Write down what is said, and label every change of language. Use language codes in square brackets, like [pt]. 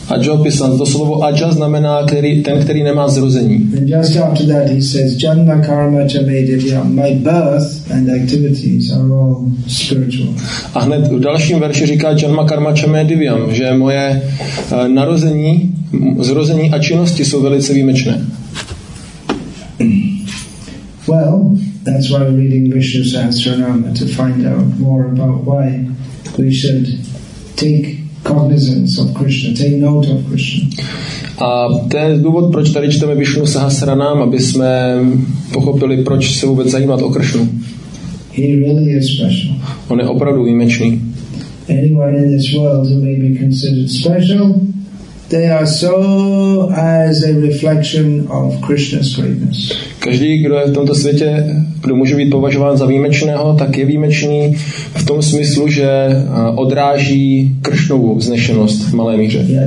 [cs] Ajopisan, to slovo aja znamená ten, který nemá zrození. [en] And just after that he says, [sa] janma karma cha me divyam, [en] my birth and activities are all spiritual. [cs] A hned v dalším verši říká [sa] janma karma cha me divyam, [cs] že moje narození, zrození a činnosti jsou velice výjimečné. [en] Well, that's why we're reading Vishnu Sahasranama, to find out more about why we should take cognizance of Krishna, take note of Krishna. [cs] A ten důvod, proč tady čteme Vishnu Sahasranam, aby jsme pochopili, proč se vůbec zajímat o Krishnu. [en] He really is special. [cs] On je opravdu výjimečný. [en] Anyone in this world who may be considered special, they are so as a reflection of Krishna's greatness. [cs] Každý, kdo je v tomto světě, kdo může být považován za výjimečného, tak je výjimečný v tom smyslu, že odráží Kršnovu vznešenost v malé míře.